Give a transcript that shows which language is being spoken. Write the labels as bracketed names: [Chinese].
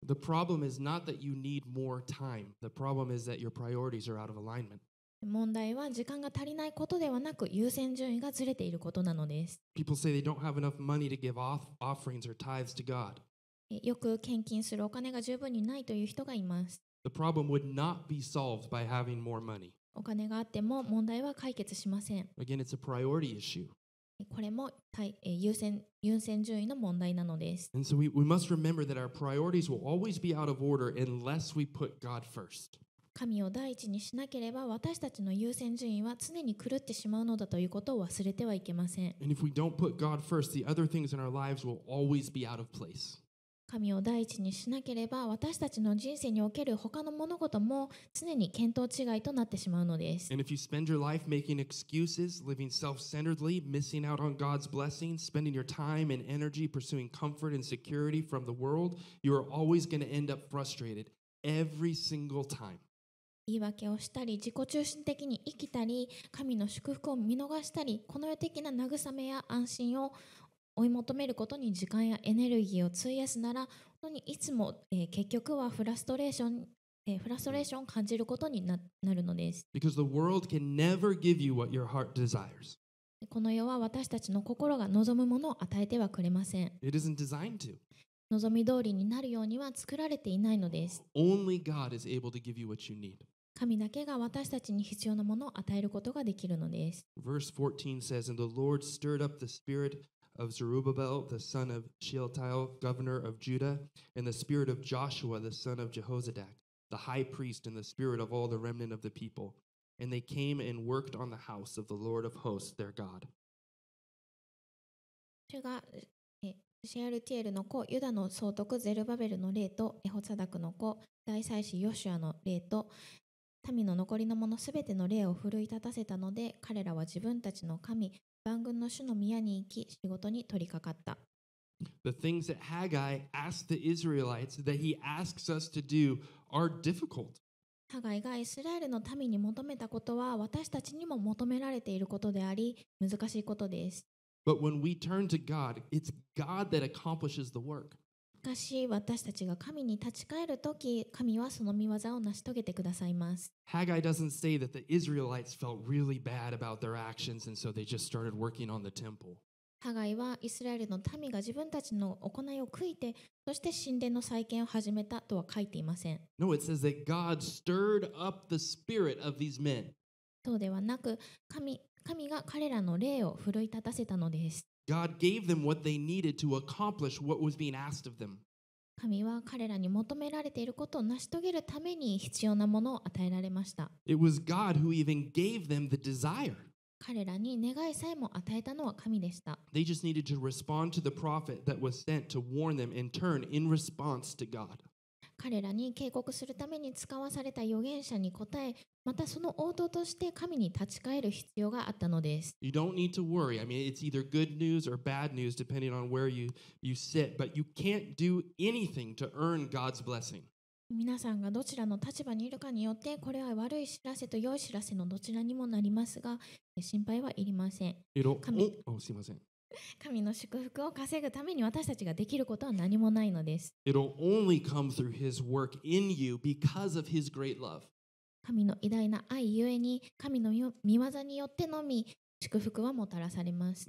[English] The problem is not that you need more time. The problem is that your priorities are out of alignment. [Japanese] 問題は時間が足りないことではなく優先順位がずれていることなのです。 [English] People say they don't have enough money to give offerings or tithes to God. [Japanese] よく献金するお金が十分にないという人がいます。 [English] The problem would not be solved by having more money. [Japanese] お金があっても問題は解決しません。 [English] Again, it's a priority issue. [Japanese] これも優先順位の問題なのです。 [English] And so we must remember that our priorities will always be out of order unless we put God first. [Japanese] 神を第一にしなければ私たちの優先順位は常に狂ってしまうのだということを忘れてはいけません。 [English] And if we don't put God first, the other things in our lives will always be out of place. [Japanese] 神を第一にしなければ私たちの人生における他の物事も常に見当違いとなってしまうのです。 [English] And if you spend your life making excuses, living self-centeredly, missing out on God's blessings, spending your time and energy pursuing comfort and security from the world, you are always going to end up frustrated every single time. [Japanese] 言い訳をしたり自己中心的に生きたり神の祝福を見逃したりこの世的な慰めや安心を追い求めることに時間やエネルギーを費やすなら本当にいつも、結局はフラストレーション、フラストレーションを感じることになるのです。 [English] Because the world can never give you what your heart desires. [Japanese] この世は私たちの心が望むものを与えてはくれません。 [English] It isn't designed to. [Japanese] 望み通りになるようには作られていないのです。 [English] Only God is able to give you what you need. [Japanese] 神だけが私たちに必要なものを与えることができるのです。 [English] Verse 14 says, And the Lord stirred up the spirit of Zerubbabel, the son of Shealtiel, governor of Judah, and the spirit of Joshua, the son of Jehozadak. The high priest and the spirit of all the remnant of the people, and they came and worked on the house of the Lord of hosts, their God. [Japanese] 主がシェアルティエルの子、ユダの総督ゼルバベルの霊と、エホツァダクの子、大祭司ヨシュアの霊と、民の残りの者すべての霊を奮い立たせたので、彼らは自分たちの神、万軍の主の宮に行き、仕事に取り掛かった。 [English] The things that Haggai asked the Israelites that he asks us to do. Are difficult. [Japanese] Haggai がイスラエルの民に求めたことは私たちにも求められていることであり難しいことです。 [English] But when we turn to God, it's God that accomplishes the work. [Japanese] しかし私たちが神に立ち返るとき、神はその御業を成し遂げてくださいます。 [English] Haggai doesn't say that the Israelites felt really bad about their actions and so they just started working on the temple. [Japanese] ハガイはイスラエルの民が自分たちの行いを悔いて、そして神殿の再建を始めたとは書いていません。 [English] No, it says that God stirred up the spirit of these men. [Japanese] そうではなく、神が彼らの霊を奮い立たせたのです。 [English] God gave them what they needed to accomplish what was being asked of them. [Japanese] 神は彼らに求められていることを成し遂げるために必要なものを与えられました。 [English] It was God who even gave them the desire. [Japanese] 彼らに願いさえも与えたのは神でした。 [English] They just needed to respond to the prophet that was sent to warn them in turn in response to God. [Japanese] 彼らに警告するために使わされた預言者に答え、またその応答として神に立ち返る必要があったのです。 [English] You don't need to worry. I mean, it's either good news or bad news depending on where you sit, but you can't do anything to earn God's blessing. [Japanese] 皆さんがどちらの立場にいるかによってこれは悪い知らせと良い知らせのどちらにもなりますが心配はいりません 神の祝福を稼ぐために私たちができることは何もないのです [English] It'll only come through His work in you because of His great love [Japanese] 神の偉大な愛ゆえに神の御業によってのみ祝福はもたらされます